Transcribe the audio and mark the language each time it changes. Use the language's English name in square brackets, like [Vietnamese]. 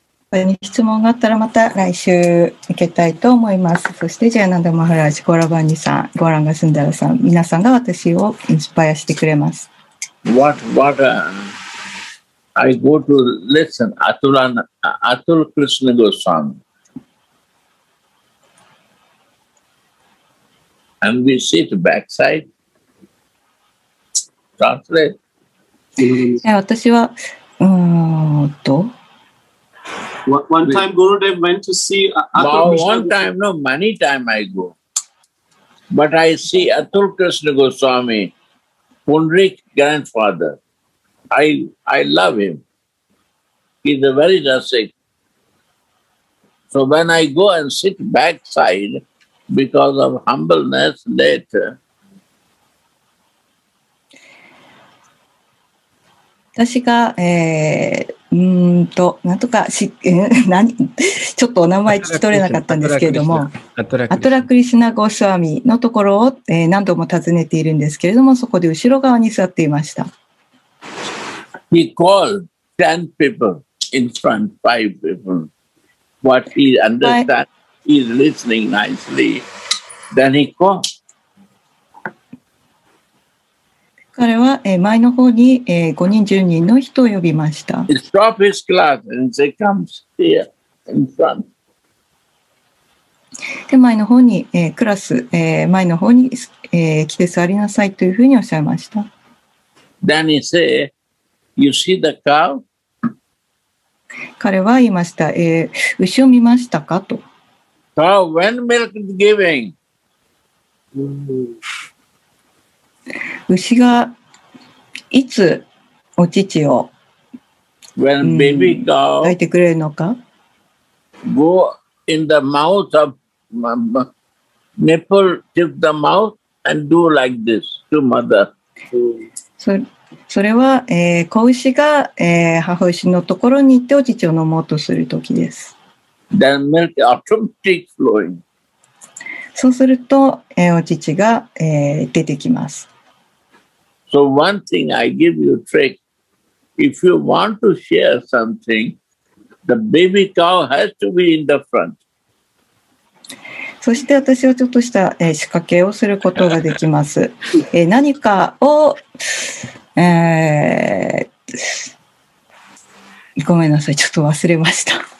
[Japanese] これに質問があったらまた来週行けたいと思います。そしてジャナンダ・マハラージ、ゴラバニさん、ゴランガ・スンダラさん、皆さんが私をインスパイアしてくれます。 [English] What I go to listen Atul Krishna Goswami and we sit backside translate [Japanese] Mm-hmm. 私は、 [English] One time Gurudev went to see Atul Krishna Goswami. One time, no, many times I go. But I see Atul Krishna Goswami, Pundarik's grandfather. I love him. He's a very rustic. So when I go and sit backside because of humbleness later, [Japanese] 私が、なんとかし、ちょっとお名前聞き取れなかったんですけれども、アトラクリシナゴスワミのところを、何度も訪ねているんですけれども、そこで後ろ側に座っていました。 [English] He called 10 people in front, 5 people. What he understands, he's listening nicely. Then he called. [Japanese] 彼は前の方に5人10人の人を呼びました。 [English] Stop his class and say, come here in front. [Japanese] で、前の方に、クラス、前の方に、来て座りなさいというふうにおっしゃいました。 [English] Then he said, you see the cow? [Japanese] 彼は言いました、牛を見ましたかと。 [English] Cow, when milk is giving? [Japanese] 牛がいつお乳を抱いてくれるのか [English] Go in the mouth of nipple to the mouth and do like this to mother. [Japanese] それは、子牛が、母牛のところに行ってお乳を飲もうとするときです。 [English] Then milk automatically flowing. [Japanese] そうすると、お乳が、出てきます。 [English] So one thing I give you a trick. If you want to share something, the baby cow has to be in the front. [Japanese] そして私はちょっとした、仕掛けをすることができます。何かを、ごめんなさい、ちょっと忘れました。